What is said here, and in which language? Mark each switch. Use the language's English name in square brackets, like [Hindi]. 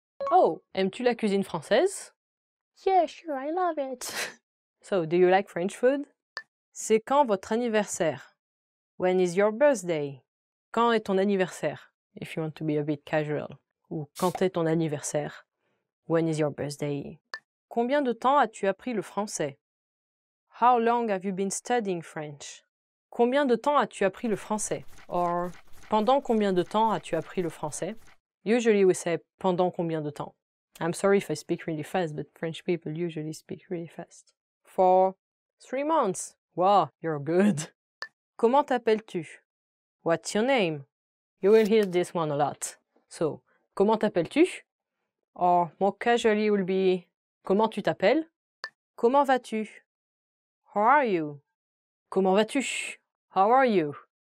[French] Oh, aimes-tu la cuisine française? [English] Yeah, sure, I love it. So, do you like French food? [French] C'est quand votre anniversaire? [English] When is your birthday? [French] Quand est ton anniversaire? [English] If you want to be a bit casual. [French] Ou quand est ton anniversaire? [English] When is your birthday? [French] Combien de temps as-tu appris le français? [English] How long have you been studying French? [French] Combien de temps as-tu appris le français? Or, pendant combien de temps as-tu appris le français? [English] Usually we say, [French] pendant combien de temps? [English] I'm sorry if I speak really fast, but French people usually speak really fast. For 3 months. Wow, you're good. [French] Comment t'appelles-tu? [English] What's your name? You will hear this one a lot. So, [French] comment t'appelles-tu? [English] Or, more casually will be, [French] comment tu t'appelles? Comment vas-tu? [English] How are you? Comment vas-tu? How are you?